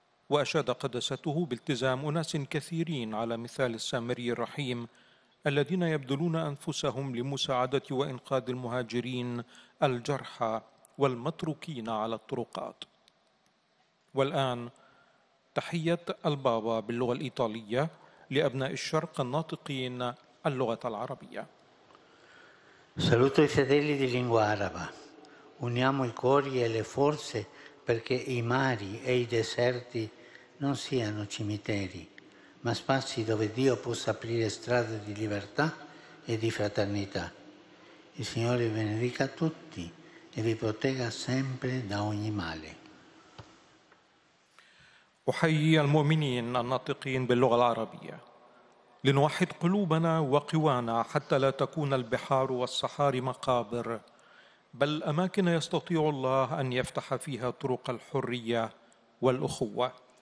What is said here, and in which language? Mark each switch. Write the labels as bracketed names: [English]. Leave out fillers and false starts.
[Arabic] وأشاد قدسته بالتزام أناس كثيرين على مثال السامري الرحيم، الذين يبذلون أنفسهم لمساعدة وإنقاذ المهاجرين الجرحى والمتروكين على الطرقات. والآن تحية البابا باللغة الإيطالية لأبناء الشرق الناطقين اللغة العربية. [Italian] Saluto i fedeli di lingua araba. Uniamo i cuori e le forze perché i mari e i deserti non siano cimiteri, ma spazi dove Dio possa aprire strade di libertà e di fraternità. Il Signore benedica tutti e vi protegga sempre da ogni male. [Arabic] أحيي المؤمنين الناطقين باللغة العربية. لنوحد قلوبنا وقوانا حتى لا تكون البحار والصحاري مقابر، بل أماكن يستطيع الله أن يفتح فيها طرق الحرية والأخوة.